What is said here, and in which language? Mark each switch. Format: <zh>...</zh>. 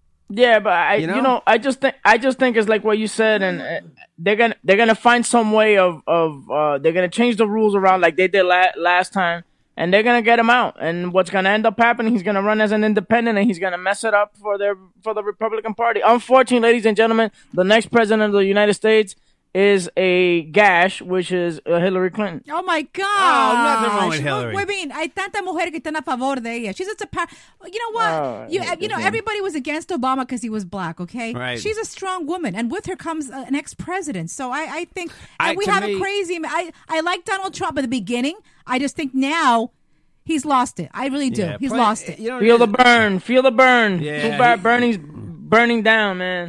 <en>Yeah, but I just think it's like what you said, and they're gonna find some way they're gonna change the rules around like they did last time, and they're gonna get him out. And what's gonna end up happening? He's gonna run as an independent, and he's gonna mess it up for the Republican Party. Unfortunately, ladies and gentlemen, the next president of the United States is a gash, which is Hillary Clinton. Oh my God! Oh, nothing wrong with Hillary. I mean,</en> <es>hay tantas mujeres que están a favor de ella.</es> <en>She's just a power. You know what? Everybody was against Obama because he was black. Okay, right. She's a strong woman, and with her comes an ex-president. So I think we have a crazy. I like Donald Trump at the beginning. I just think now he's lost it. I really do. Yeah, he's lost it. Feel the burn. Feel the burn. Too bad Bernie's burning down, man.</en>